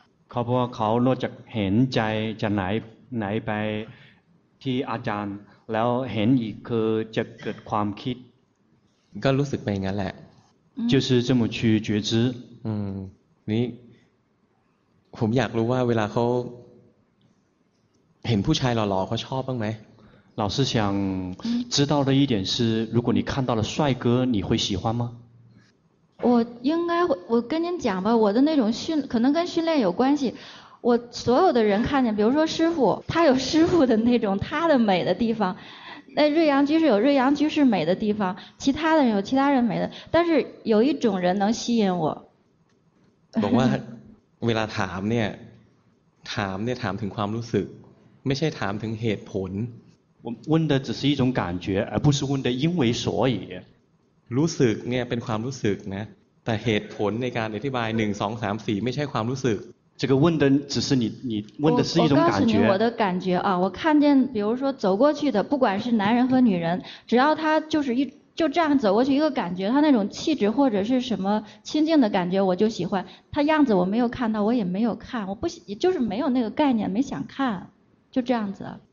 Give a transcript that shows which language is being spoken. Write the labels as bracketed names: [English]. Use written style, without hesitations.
[Thai] เขาบอกเขานอกจากเห็นใจจะไหนไปที่อาจารย์แล้วเห็นอีกคือจะเกิดความคิด ก็รู้สึกไปงั้นแหละ [Chinese] 就是这么去觉知 [Thai] นี่ผมอยากรู้ว่าเวลาเขาเห็นผู้ชายหล่อๆเขาชอบบ้างไหม [Chinese] 老师想知道的一点是如果你看到了帅哥你会喜欢吗我应该我跟您讲吧我的那种训可能跟训练有关系我所有的人看见比如说师父他有师父的那种他的美的地方那瑞阳居士有瑞阳居士美的地方其他的人有其他人美的但是有一种人能吸引我 [Thai] บอกว่าเวลาถามเนี่ยถามถึงความรู้สึกไม่ใช่ถามถึงเหตุผล [Chinese] 我问的只是一种感觉而不是问的因为所以 [Thai] รู้สึกเนี่ยเป็นความรู้สึกนะแต่เหตุผลในการอธิบาย1 2 3 4ไม่ใช่ความรู้สึก [Chinese] 这个问的只是你问的是一种感觉。我告诉你我的感觉啊，我看见，比如说走过去的，不管是男人和女人，只要他就是就这样走过去，一个感觉，他那种气质或者是什么亲近的感觉，我就喜欢。他样子我没有看到，我也没有看，我不也就是没有那个概念，没想看，就这样子。